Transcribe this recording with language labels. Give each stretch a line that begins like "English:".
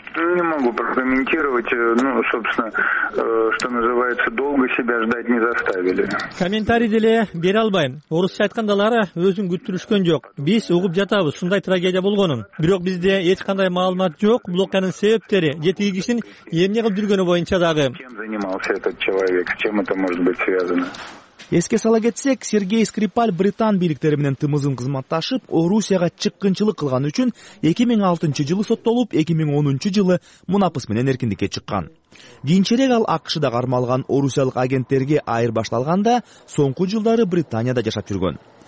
Russian: не могу прокомментировать, ну, собственно, что называется, долго себя ждать не заставили.
Kyrgyz: Комментарий деле бере албайм. Орусча айткандалары өзүн күттүрүшкөн жок. Биз угуп жатабыз ушундай трагедия болгонун. Бирок бизде эч кандай маалымат жок блоканын себептери, жети кишинин эмне кылып жүргөнү боюнча дагы.
Russian: Кем занимался этот человек? С чем это может быть связано?
Kyrgyz: Эске сала кетсек, Сергей Скрипаль британ бийликтери менен тымызын кызматташып, Орусияга чыккынчылык кылган үчүн 2006 жылы соттолуп, 2010 жылы мунапыс менен эркиндикке чыккан. Кийинчерээк ал АКШда кармалган орусиялык агенттерге айырбашталганда, соңку жылдары Британияда жашап жүргөн.